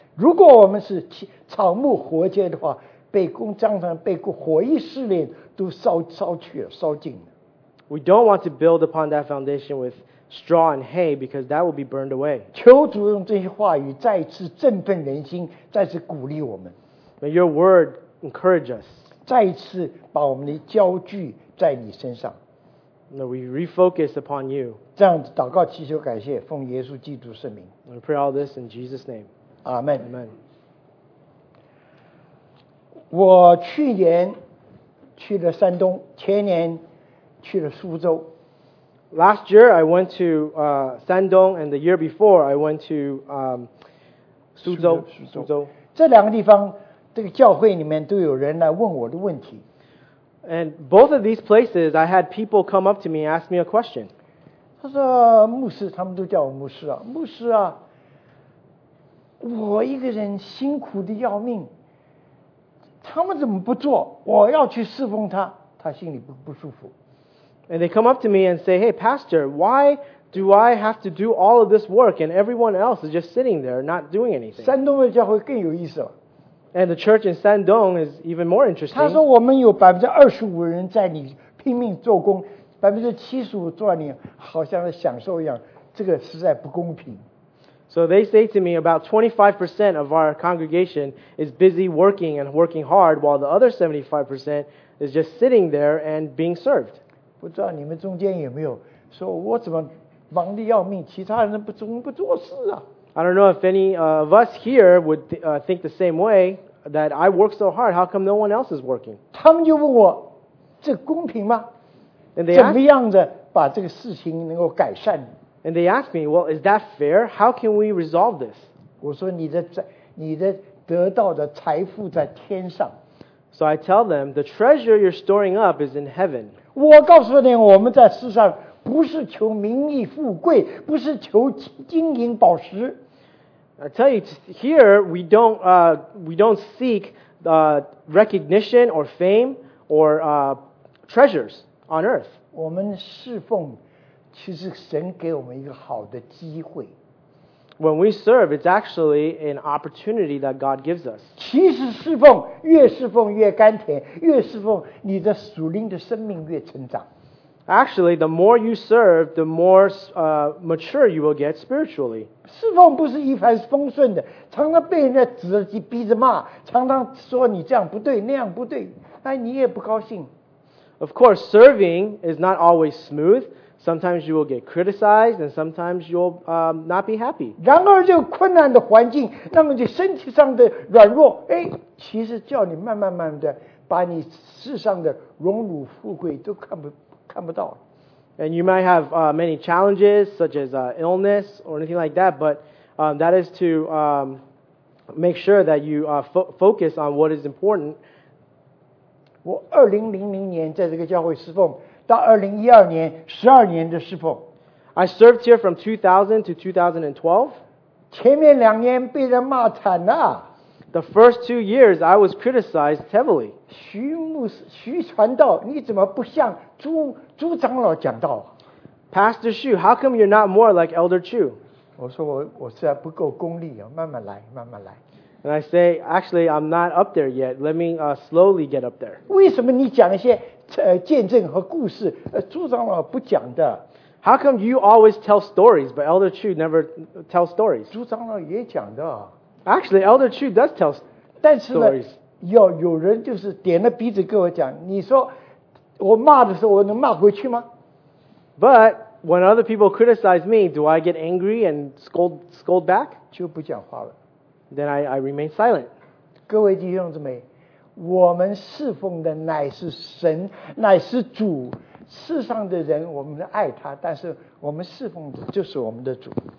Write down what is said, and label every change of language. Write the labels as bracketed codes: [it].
[zh] 如果我们是草木活结的话，被工匠人被火一试炼，都烧去了，烧尽。 [en] We don't want to build upon that foundation with straw and hay, because that will be burned away. [zh] 求主用这些话语再次振奋人心，再次鼓励我们。 [en] May your word encourage us. [zh] 再次把我们的焦聚在你身上。 [en] May we refocus upon you. [zh] 这样祷告祈求感谢，奉耶稣基督圣名。 [en] We pray all this in Jesus' name. Amen. Amen. [zh] 我去年去了山东，前年去了苏州。 [en] Last year, I went to Shandong, and the year before, I went to Suzhou. [zh] 这两个地方，这个教会里面都有人来问我的问题。 [en] And both of these places, I had people come up to me and ask me a question. [zh] 他说，牧师，他们都叫我牧师啊，牧师啊，我一个人辛苦的要命，他们怎么不做？我要去侍奉他，他心里不舒服。 [en] And they come up to me and say, hey, pastor, why do I have to do all of this work and everyone else is just sitting there not doing anything? [zh] 山东的教会更有意思了。 [en] And the church in Shandong is even more interesting. [zh] 他说我们有 25% 人在你拼命做工， 75% 坐在你好像在享受一样，这个实在不公平。 [en] So they say to me about 25% of our congregation is busy working and working hard while the other 75% is just sitting there and being served. [zh] 不知道你们中间有没有说我怎么忙得要命，其他人不做事啊。 [en] I don't know if any of us here would think the same way, that I work so hard, how come no one else is working? [zh] 他们就问我，这公平吗？ [en] And they ask, [zh] 怎么样子把这个事情能够改善？ [en] And they ask me, well, is that fair? How can we resolve this? [zh] 我说你的得到的财富在天上。 [en] So I tell them, the treasure you're storing up is in heaven. [zh] 我告诉你，我们在世上不是求名利富贵，不是求金银宝石。 [en] I tell you, here we don't seek recognition or fame or treasures on earth. [zh] 我们侍奉，其实神给我们一个好的机会。 [en] When we serve, it's actually an opportunity that God gives us. [zh] 其实侍奉，越侍奉越甘甜，越侍奉你的属灵的生命越成长。 [en] Actually, the more you serve, the more mature you will get spiritually. [zh] 侍奉不是一帆风顺的，常常被人家指着鼻逼着骂，常常说你这样不对，那样不对，哎，你也不高兴。 [en] Of course, serving is not always smooth. Sometimes you will get criticized, and sometimes you'll not be happy. [zh] 然而这个困难的环境，那么你身体上的软弱，哎，其实叫你慢慢慢慢的把你世上的荣辱富贵都看不。 [en] And you might have many challenges, such as illness or anything like that, but that is to make sure that you focus on what is important. [zh] 我2000年在这个教会侍奉，到2012年，12年的侍奉。 [en] I served here from 2000 to 2012. [zh] 前面两年被人骂惨了。 [en] The first 2 years, I was criticized heavily. [zh] 徐牧师、徐传道，你怎么不像朱朱长老讲道 [en] ？Pastor Xu, how come you're not more like Elder Chu? [zh] 我说我实在不够功力啊，慢慢来，慢慢来。 [en] And I say, actually, I'm not up there yet. Let me slowly get up there. [zh] 为什么你讲一些见证和故事，朱长老不讲的 [en] ？How come you always tell stories, but Elder Chu never tell stories? [zh] 朱长老也讲的。 [en] Actually, Elder Chu does tell stories. [zh] 但是呢，有人就是点了鼻子跟我讲，你说我骂的时候，我能骂回去吗 [en] ？But when other people criticize me, do I get angry and scold back? [zh] 就不讲话了。 [en] Then I remain silent. [zh] 各位弟兄姊妹，我们侍奉的乃是神，乃是主。世上的人，我们爱他，但是我们侍奉的就是我们的主。